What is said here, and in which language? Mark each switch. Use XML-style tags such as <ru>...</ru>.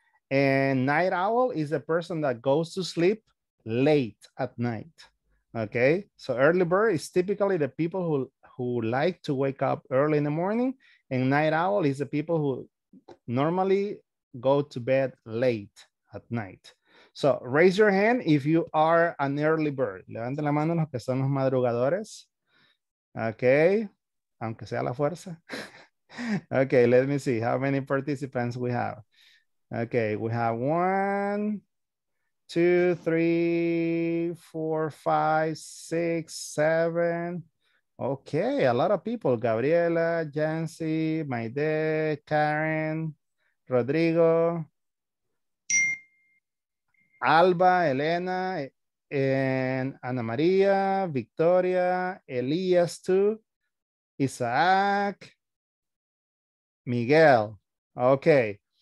<en>And night owl is a person that goes to sleep late at night. Okay, so early bird is typically the people who like to wake up early in the morning, and night owl is the people who normally go to bed late at night. So raise your hand if you are an early bird.</en> <es>Levanten la mano los que son los madrugadores. Okay, aunque sea la fuerza.</es> <en>Okay, let me see how many participants we have. Okay, we have 1, 2, 3, 4, 5, 6, 7. Okay, a lot of people. Gabriela, Jancy, Maide, Karen, Rodrigo, Alba, Elena, and Ana Maria, Victoria, Elias too, Isaac, Miguel. Okay.</en>